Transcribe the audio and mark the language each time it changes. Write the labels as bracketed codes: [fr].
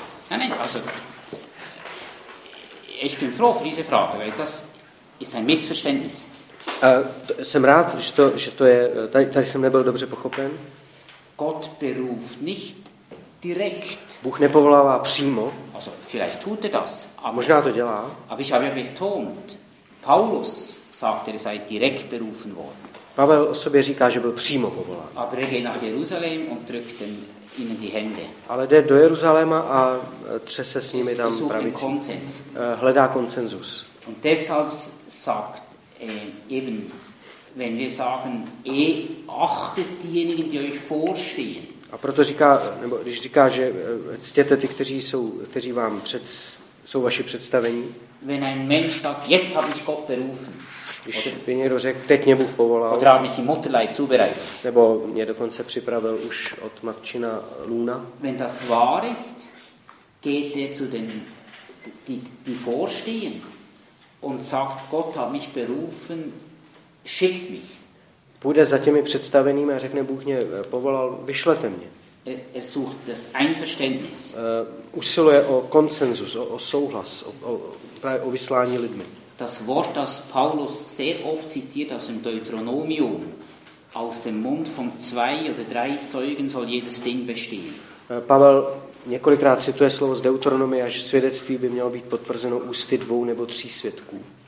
[de] Nein, also ich bin froh für diese Frage, weil das ist ein Missverständnis. [cs] Jsem rád, že to je, tady jsem nebyl dobře pochopen. [de] Gott beruft nicht direkt. [cs] Bůh nepovolává přímo. [de] Also vielleicht tut er das. Aber, [cs] možná to dělá. [de] Aber ich habe ja betont, Paulus sagt, er sei direkt berufen worden. [cs] Pavel o sobě říká, že byl přímo povolán. [de] Aber er geht nach Jerusalem und drückt den in die Hände. [cs] Ale jde do Jeruzaléma a tře se s nimi tam pravicí. Hledá konsenzus. [de] Und deshalb sagt eben, wenn wir sagen, achtet diejenigen, die euch vorstehen. [cs] A proto říká, nebo když říká, že ctěte ty, kteří vám jsou vaše představení? [de] Wenn ein Mensch sagt, jetzt habe ich Gott berufen. [cs] Když by někdo řekl, teď mě Bůh povolal. [de] Oder hat mich im Mutterleib zubereitet. [cs] Nebo mě dokonce připravil už od matčina lůna. [de] Wenn das wahr ist, geht er zu den die vorstehen und sagt, Gott hat mich berufen, schickt mich. [cs] Půjde za těmi představenými a řekne, Bůh mě povolal, vyšlete mě. [de] Er sucht das Einverständnis. [cs] Usiluje o konsenzus, o souhlas, právě o vyslání lidmi. [de] Das Wort, das Paulus sehr oft zitiert aus dem Deuteronomium, aus dem Mund von zwei oder drei Zeugen soll jedes Ding bestehen. [cs] Pavel několikrát cituje slovo z Deuteronomia, že svědectví by mělo být potvrzeno ústy dvou nebo tří svědků.